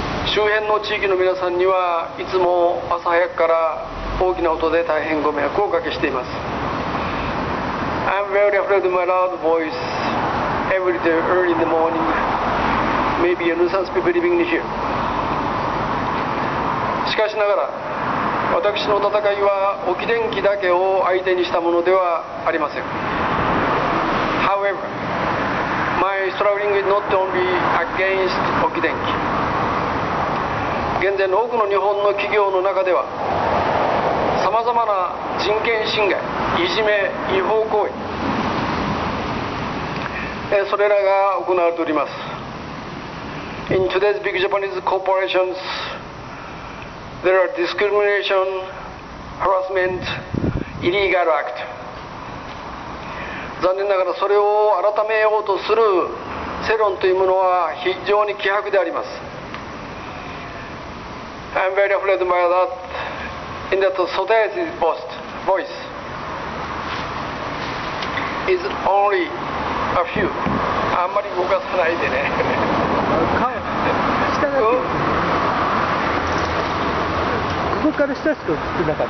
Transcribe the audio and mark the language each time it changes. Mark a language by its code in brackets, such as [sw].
[ja] 周辺の地域の皆さんには、いつも朝早くから大きな音で大変ご迷惑をおかけしています。 [en] I'm very afraid of my loud voice every day early in the morning. Maybe a nuisance people living here. [ja] しかしながら、私の戦いは沖電機だけを相手にしたものではありません。 [en] However, my struggling is not only against 沖電機。 [ja] 現在の多くの日本の企業の中では、さまざまな人権侵害、いじめ、違法行為、それらが行われております。 [en] In today's big Japanese corporations,There are discrimination, harassment, illegal act. [ja] 残念ながらそれを改めようとする世論というものは非常に希薄であります。 [en] I'm very afraid by that in that society voice is only a few. [ja] あんまり動かさないでね。下だけ。ここから下しか映ってなかった。